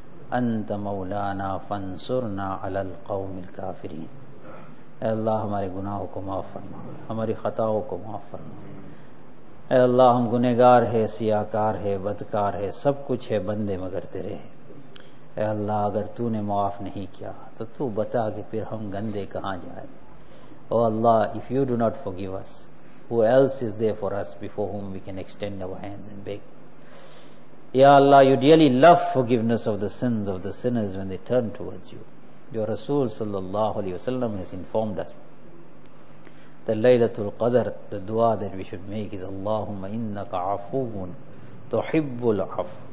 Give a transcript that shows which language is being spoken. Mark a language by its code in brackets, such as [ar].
[ar] أنت مولانا فانصرنا على القوم الكافرين. [ur] اے اللہ ہمارے گناہوں کو معاف فرما، ہماری خطاؤں کو معاف فرما. اے اللہ ہم گنہگار ہے، سیاہکار ہے، بدکار ہے، سب کچھ ہے بندے مگر تیرے ہیں. اے اللہ اگر تو نے معاف نہیں کیا تو تو بتا کہ پھر ہم گندے کہاں جائیں. [en] او اللہ، if you do not forgive us, who else is there for us before whom we can extend our hands and beg? Ya Allah, you dearly love forgiveness of the sins of the sinners when they turn towards you. Your Rasul sallallahu alayhi wa sallam has informed us that Laylatul Qadr, the dua that we should make is Allahumma innaka afuun tuhibbul afu.